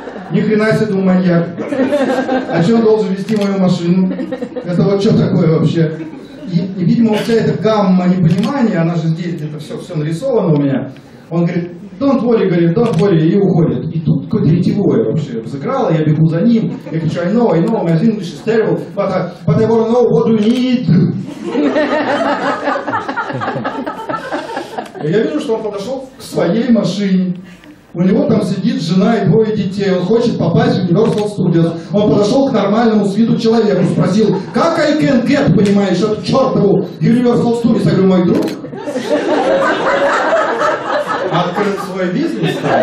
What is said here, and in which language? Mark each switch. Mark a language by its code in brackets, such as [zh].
[ru] Ни хрена себе, думаю, маньяк. А что он должен везти мою машину? Это вот что такое вообще? И, видимо, вся эта гамма непонимания, она же здесь где-то все нарисовано у меня. Он говорит, [en] don't worry, [ru] и уходит. И тут какое-то ретивое вообще взыграло, я бегу за ним. Я говорю, [en] I know, my English is terrible, but I wanna know what do you need. [ru] И я вижу, что он подошел к своей машине. У него там сидит жена и 2 детей, он хочет попасть в Universal Studios. Он подошел к нормальному с виду человеку, спросил, как [en] I can get, [ru] понимаешь, эту чертову Universal Studios? Я говорю, мой друг, открыл свой бизнес.